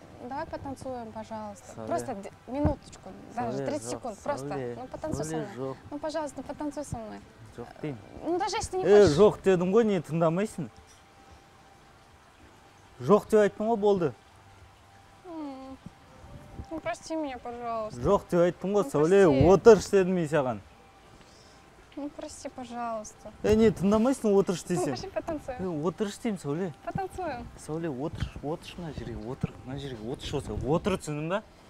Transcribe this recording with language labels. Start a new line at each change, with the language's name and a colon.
Russian: Давай потанцуем, пожалуйста. Сәуле. Просто минуточку, даже 30 секунд. Просто. Ну, потанцуй со мной. Сәуле,
Kazakh: жоқ.
Russian: Ну, пожалуйста, потанцуй со мной.
Kazakh: Жоқ деймін.
Russian: Ну, даже если ты не хочешь.
Kazakh: Жоқ дедім ғой, не тыңдамайсың. Жоқ деп айттым ғой, болды.
Russian: Ну, прости меня, пожалуйста.
Kazakh: Жоқ деп айттым ғой, Сәуле, отырш дедім мен саған.
Russian: Ну, прости, пожалуйста.
Kazakh: Не, тыңдамайсың, отырш десем.
Russian: Ну, вообще потанцуем.
Kazakh: Отырш дейм, Сәуле.
Russian: Потанцуем.
Kazakh: Сәуле, отырш, отырш мына жерге, отыр, мына жерге, отырш осы, отыр, түсіндің ба?